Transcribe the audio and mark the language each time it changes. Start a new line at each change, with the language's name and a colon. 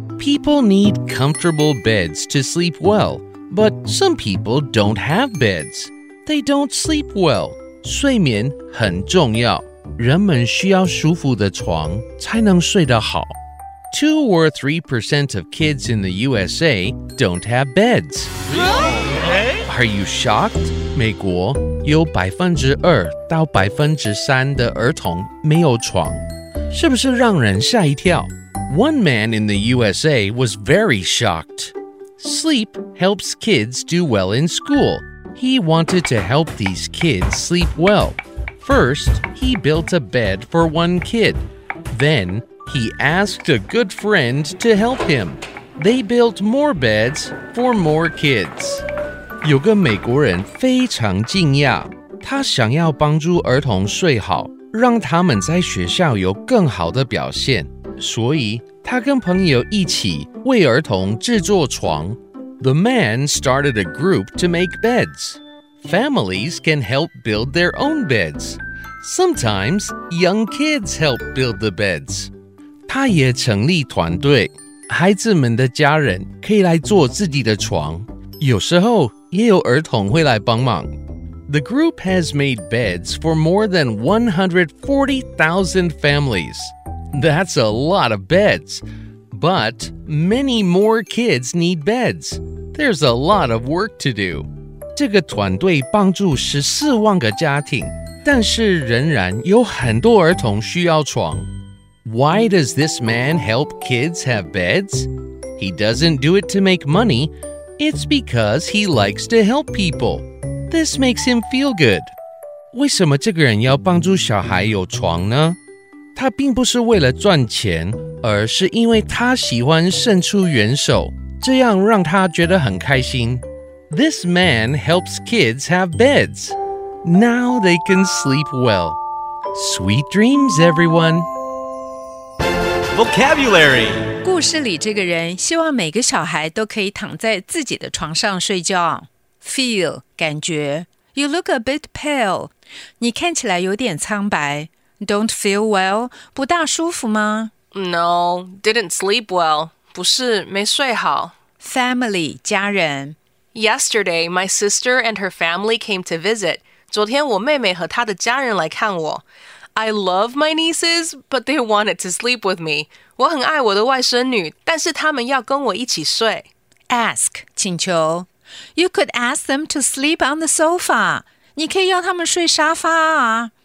English: People need comfortable beds to sleep well, but some people don't have beds. They don't sleep well.
Chinese: 睡眠很重要，人们需要舒服的床才能睡得好。
English: 2 or 3% of kids in the USA don't have beds. Are you shocked?
Chinese: 美国有 2% 到 3% 的儿童没有床，是不是让人吓一跳？
English: One man in the USA was very shocked. Sleep helps kids do well in school. He wanted to help these kids sleep well. First, he built a bed for one kid. Then, he asked a good friend to help him. They built more beds for more kids.
Chinese: 有个美国人非常惊讶，他想要帮助儿童睡好，让他们在学校有更好的表现，所以他跟朋友一起为儿童制作床。
English: The man started a group to make beds. Families can help build their own beds. Sometimes young kids help build the beds.
Chinese: 他也成立团队，孩子们的家人可以来做自己的床，有时候也有儿童会来帮忙。
English: The group has made beds for more than 140,000 families. That's a lot of beds. But many more kids need beds. There's a lot of work to do.
Chinese: 这个团队帮助14万个家庭，但是仍然有很多儿童需要床。
English: Why does this man help kids have beds? He doesn't do it to make money. It's because he likes to help people. This makes him feel good.
Chinese: 为什么这个人要帮助小孩有床呢？他并不是为了赚钱，而是因为他喜欢伸出援手，这样让他觉得很开心。
English: This man helps kids have beds. Now they can sleep well. Sweet dreams, everyone. Vocabulary.
Chinese: 故事里这个人希望每个小孩都可以躺在自己的床上睡觉。
English: Feel, 感觉。You look a bit pale.
Chinese: 你看起来有点苍白。
English: Don't feel well,
Chinese: 不大舒服吗？
English: No, didn't sleep well.
Chinese: 不是，没睡好。
English: Family, 家人。 Yesterday, my sister and her family came to visit.
Chinese: 昨天我妹妹和她的家人来看我。
English: I love my nieces, but they wanted to sleep with me.
Chinese: 我很爱我的外孙女，但是她们要跟我一起睡。
English: Ask, 请求。 You could ask them to sleep on the sofa.
Chinese: 你可以要他们睡沙发啊。